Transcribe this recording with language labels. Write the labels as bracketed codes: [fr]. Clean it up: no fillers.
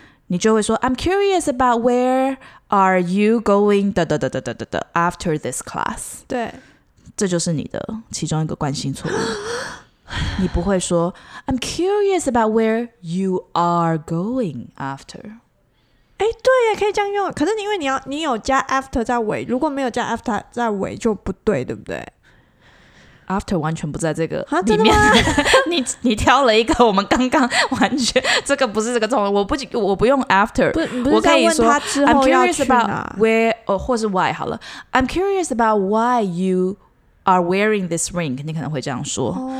[zh] 你就会说 [en] I'm curious about where are you going after this class。 [zh] 对，这就是你的其中一个惯性错误。你不会说 [en] I'm curious about where you are going after。 [zh] 哎，对耶，可以这样用。可是因为你有加 after 在尾，如果没有加 after 在尾就不对，对不对？ After 完全不在这个里面。你挑了一个我们刚刚完全这个不是这个中文。我不用 after，不我可以说问他之后要去哪。 [en] I'm curious about where [zh] 或是 [en] why [zh] 好了。 [en] I'm curious about why you are wearing this ring， [zh] 你可能会这样说。